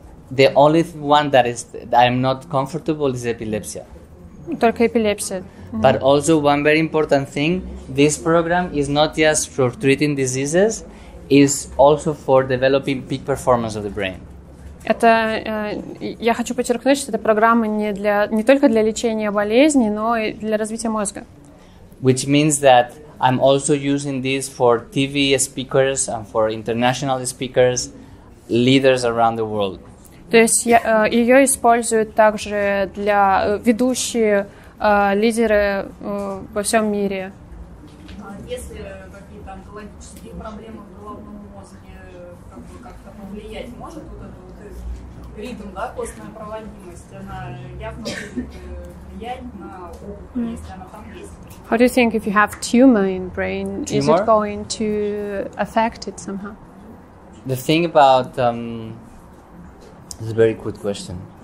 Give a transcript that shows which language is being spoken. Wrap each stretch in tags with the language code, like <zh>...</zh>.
<en>The only one that is that I'm not comfortable is epilepsy.</en> <ru>Только эпилепсия.</ru> <en>But also one very important thing, this program is not just for treating diseases, it's also for developing peak performance of the brain.</en> <ru>Это, я хочу подчеркнуть, что это программа не для, не только для лечения болезни, но и для развития мозга.</ru> <en>Which means that I'm also using this for TV speakers and for international speakers, leaders around the world.</en> <ru>То есть ее используют также для ведущие лидеры во всем мире. Если какие-то онкологические проблемы в головном мозге как-то повлиять, может вот этот вот ритм, да, костная проводимость, она явно влияет на опухоль, если она там есть?</ru> <en>How do you think if you have tumor in brain, tumor? Is it going to affect it somehow? The thing about it's a very good question.</en>